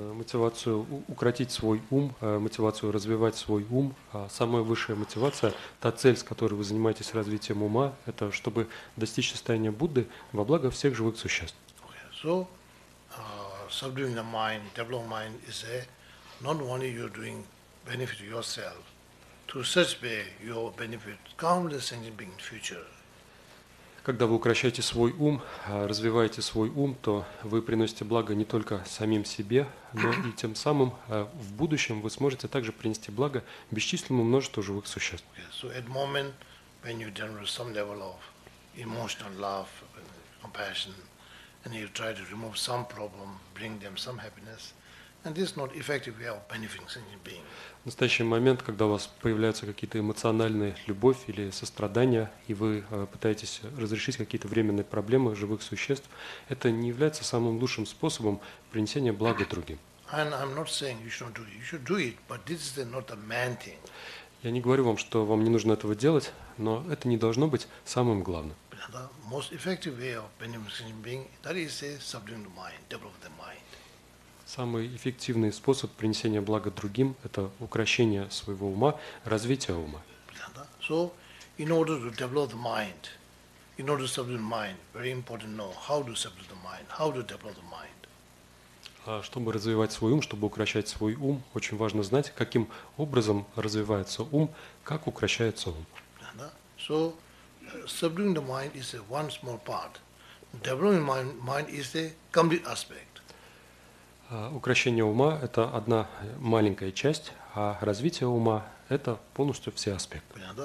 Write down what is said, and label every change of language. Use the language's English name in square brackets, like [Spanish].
[Russian] Мотивацию укротить свой ум, мотивацию развивать свой ум, самая высшая мотивация, та цель, с которой вы занимаетесь развитием ума, это чтобы достичь состояния Будды во благо всех живых существ. [English] Okay. So, subduing the mind, developing mind is a not only you're doing benefit to yourself, to such way you benefit countless sentient beings in the future. [Russian] Когда вы укращаете свой ум, развиваете свой ум, то вы приносите благо не только самим себе, но и тем самым в будущем вы сможете также принести благо бесчисленному множеству живых существ. [English] Okay. So at the moment, when you generate some level of emotional love, compassion, and you try to remove some problem, bring them some happiness, and this is not effective way of benefiting sentient being. [Russian] В настоящий момент, когда у вас появляются какие-то эмоциональные любовь или сострадания, и вы пытаетесь разрешить какие-то временные проблемы живых существ, это не является самым лучшим способом принесения блага другим. [English] And I'm not saying you shouldn't do it. You should do it, but this is not the main thing. [Russian] Я не говорю вам, что вам не нужно этого делать, но это не должно быть самым главным. [English] The most effective way of benefiting sentient being, that is to subdue the mind, develop the mind. [Russian] Самый эффективный способ принесения блага другим – это укрощение своего ума, развитие ума. [English] So, in order to develop the mind, in order to subdue the mind, very important to know how to subdue the mind, how to develop the mind. [Russian] Чтобы развивать свой ум, чтобы укрощать свой ум, очень важно знать, каким образом развивается ум, как укрощается ум. [English] So, subduing the mind is one small part. Developing mind is the complete aspect. [Russian] Укрощение ума – это одна маленькая часть, а развитие ума – это полностью все аспекты.